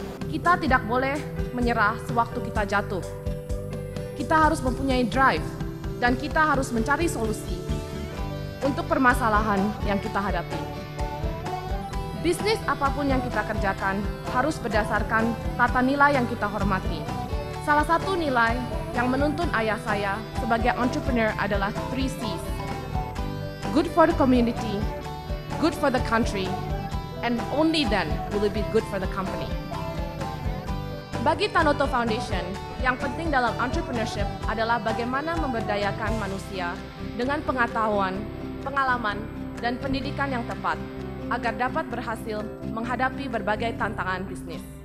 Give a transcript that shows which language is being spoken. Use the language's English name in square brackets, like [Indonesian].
[Indonesian] Kita tidak boleh menyerah sewaktu kita jatuh. Kita harus mempunyai drive dan kita harus mencari solusi untuk permasalahan yang kita hadapi. Bisnis apapun yang kita kerjakan harus berdasarkan tata nilai yang kita hormati. Salah satu nilai yang menuntun ayah saya sebagai entrepreneur adalah 3 C's. [English] Good for the community, good for the country, and only then will it be good for the company. [Indonesian] Bagi Tanoto Foundation, yang penting dalam entrepreneurship adalah bagaimana memberdayakan manusia dengan pengetahuan, pengalaman, dan pendidikan yang tepat agar dapat berhasil menghadapi berbagai tantangan bisnis.